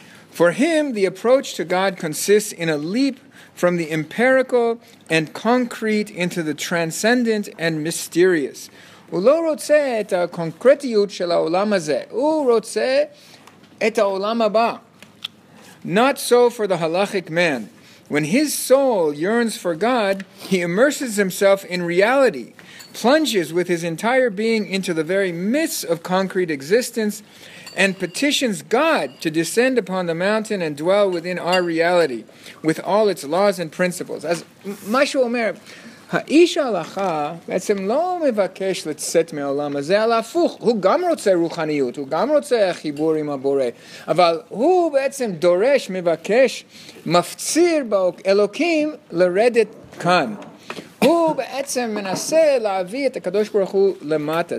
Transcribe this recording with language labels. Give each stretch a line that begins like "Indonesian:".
English: For him, the approach to God consists in a leap from the empirical and concrete into the transcendent and mysterious.
Hebrew: הוא לא רוצה את הקונקרטיות של העולם הזה. הוא רוצה את העולם הבא.
English: Not so for the halachic man. When his soul yearns for God, he immerses himself in reality, plunges with his entire being into the very midst of concrete existence, and petitions God to descend upon the mountain and dwell within our reality with all its laws and principles.
Hebrew: אז מה שהוא אומר, האיש ההלכה בעצם לא מבקש לצאת מהעולם הזה, אלא הפוך, הוא גם רוצה רוחניות, הוא גם רוצה חיבור עם הבורא, אבל הוא בעצם דורש, מבקש, מפציר באלוקים לרדת כאן. הוא בעצם מנסה להביא את הקדוש ברוך הוא למטה.